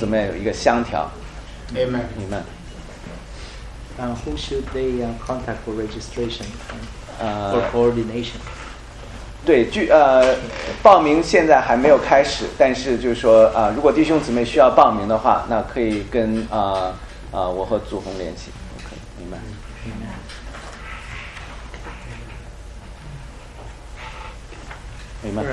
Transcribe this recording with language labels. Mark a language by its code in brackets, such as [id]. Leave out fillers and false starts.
[zh] 那5月18号到19号，5月18号到20号这个周末，我们东北区有一个华语的春季特会，在还是在KPCC，那希望弟兄姊妹，我们能够，就我们提早报告，就是希望弟兄姊妹，我们能够把时间分别出来，一同上去过节，与那弟兄姊妹有一个相调。Amen. [en] Who should they contact for registration for coordination? [zh] 对，报名现在还没有开始，但是就是说，如果弟兄姊妹需要报名的话，那可以跟我和祖宏联系。明白。